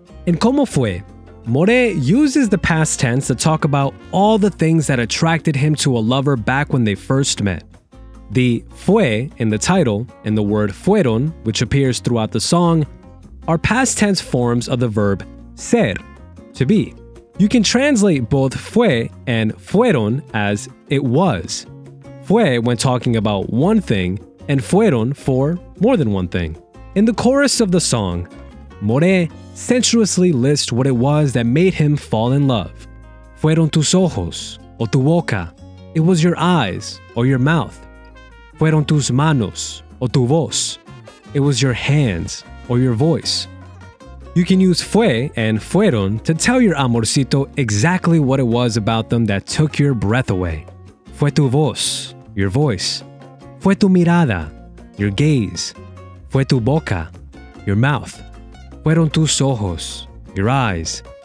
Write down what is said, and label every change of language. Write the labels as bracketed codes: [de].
[en] In Como Fue, More uses the past tense to talk about all the things that attracted him to a lover back when they first met. The fue in the title and the word fueron, which appears throughout the song, are past tense forms of the verb ser, to be. You can translate both fue and fueron as it was. Fue when talking about one thing and fueron for more than one thing. In the chorus of the song, More sensuously lists what it was that made him fall in love. [es] Fueron tus ojos o tu boca. [en] It was your eyes or your mouth. [es] Fueron tus manos o tu voz. [en] It was your hands or your voice. You can use fue and fueron to tell your amorcito exactly what it was about them that took your breath away. [es] Fue tu voz, [en] your voice. [es] Fue tu mirada, [en] your gaze. [es] Fue tu boca, [en] your mouth. [es] Fueron tus ojos, [en] your eyes.